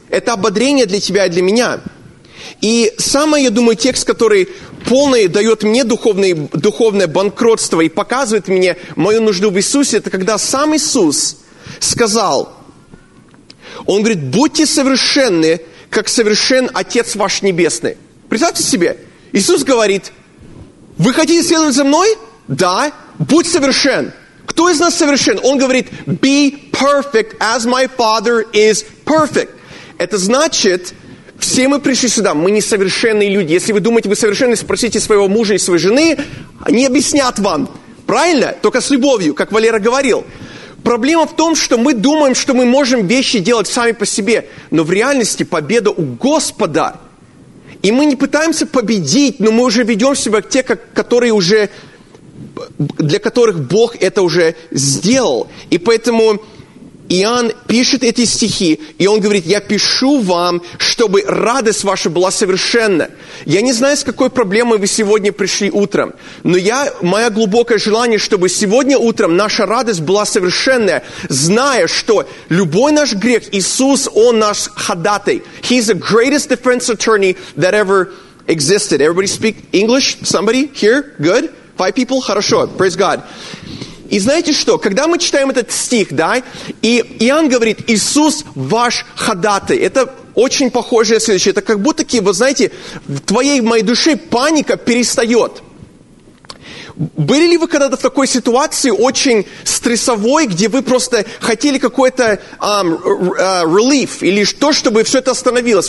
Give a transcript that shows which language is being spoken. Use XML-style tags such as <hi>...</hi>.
<ru>Это ободрение для тебя и для меня. И самый, я думаю, текст, который полный дает мне духовное банкротство и показывает мне мою нужду в Иисусе, это когда сам Иисус сказал, он говорит, будьте совершенны, как совершен Отец ваш Небесный. Представьте себе, Иисус говорит, вы хотите следовать за мной? Да, будь совершен. Кто из нас совершен? Он говорит,</ru> <en>be perfect as my Father is perfect.</en> <ru>Это значит, все мы пришли сюда, мы несовершенные люди. Если вы думаете, вы совершенны, спросите своего мужа и своей жены, они объяснят вам. Правильно? Только с любовью, как Валера говорил. Проблема в том, что мы думаем, что мы можем вещи делать сами по себе, но в реальности победа у Господа. И мы не пытаемся победить, но мы уже ведем себя к тем, которые уже, для которых Бог это уже сделал. И поэтому Иоанн пишет эти стихи, и он говорит, я пишу вам, чтобы радость ваша была совершенна. Я не знаю, с какой проблемой вы сегодня пришли утром, но мое глубокое желание, чтобы сегодня утром наша радость была совершенная, зная, что любой наш грех, Иисус, он наш ходатай.</ru> <en>He's the greatest defense attorney that ever existed. Everybody speak English? Somebody here? Good? 5 people?</en> <ru>Хорошо.</ru> <en>Praise God.</en> <ru>И знаете что, когда мы читаем этот стих, да, и Иоанн говорит, Иисус ваш ходатай. Это очень похожее следующее, это как будто, вы знаете, в твоей, в моей душе паника перестает. Были ли вы когда-то в такой ситуации, очень стрессовой, где вы просто хотели какой-то relief, или что, чтобы все это остановилось?</ru>